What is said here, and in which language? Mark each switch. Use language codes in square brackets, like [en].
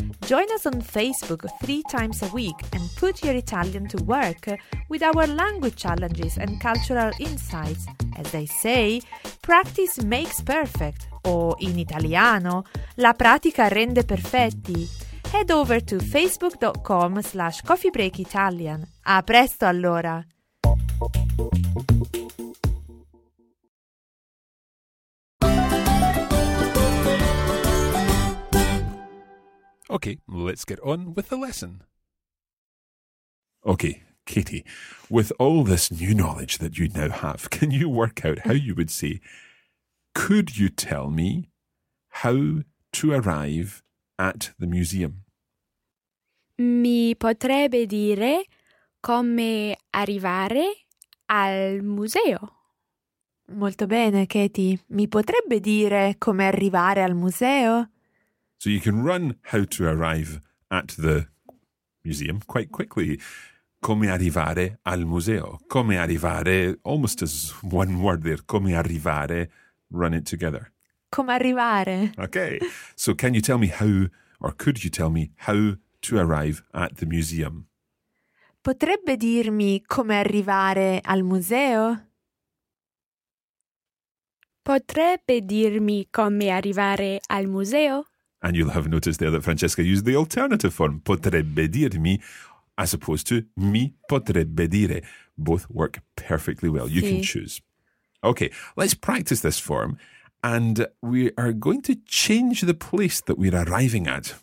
[en] Join us on Facebook 3 times a week and put your Italian to work with our language challenges and cultural insights. As they say, practice makes perfect. [it] O in italiano, la pratica rende perfetti. [en] Head over to facebook.com/coffeebreakitalian. [it] A presto allora! [en] Okay, let's get on with the lesson. Okay, Katie, with all this new knowledge that you now have, can you work out how you would say, could you tell me how to arrive at the museum? [it] Mi potrebbe dire come arrivare al museo. Molto bene, Katie. Mi potrebbe dire come arrivare al museo? [en] So you can run how to arrive at the museum quite quickly. [it] come arrivare al museo, come arrivare, [en] almost as one word there, [it] come arrivare, [en] run it together. [it] Come arrivare. [en] Okay, so can you tell me how, or could you tell me how to arrive at the museum? [it] Potrebbe dirmi come arrivare al museo? Potrebbe dirmi come arrivare al museo? [en] And you'll have noticed there that Francesca used the alternative form, [it] potrebbe dirmi, [en] as opposed to [it] mi potrebbe dire. [en] Both work perfectly well. You can choose. Okay, let's practice this form. And we are going to change the place that we're arriving at.